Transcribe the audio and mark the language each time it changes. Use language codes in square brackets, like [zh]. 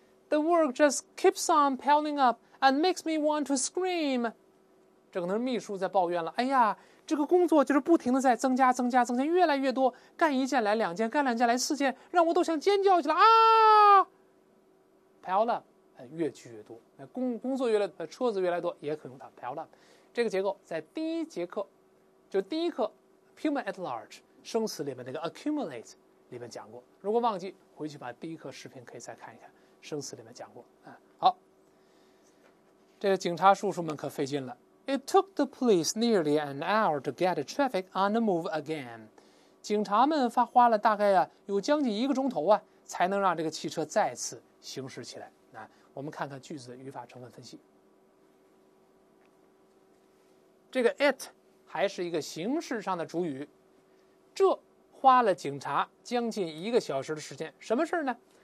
[en] The work just keeps on piling up and makes me want to scream. [zh] 这可能秘书在抱怨了。哎呀，这个工作就是不停的在增加，增加，增加，越来越多。干一件来两件，干两件来四件，让我都想尖叫去了啊 ！Pile up， 越聚越多。工作越来越多，车子越来越多，也可用它 pile up。这个结构在第一节课，就第一课 ，Human at Large 生词里面那个 accumulate 里面讲过。如果忘记，回去把第一课视频可以再看一看。生词里面讲过、好，这个警察叔叔们可费劲了。 [en] It took the police nearly an hour to get traffic on the move again. [zh] 警察们花了大概、有将近一个钟头、才能让这个汽车再次行驶起来、我们看看句子的语法成分分析。这个 it 还是一个形式上的主语，这花了警察将近一个小时的时间，什么事呢？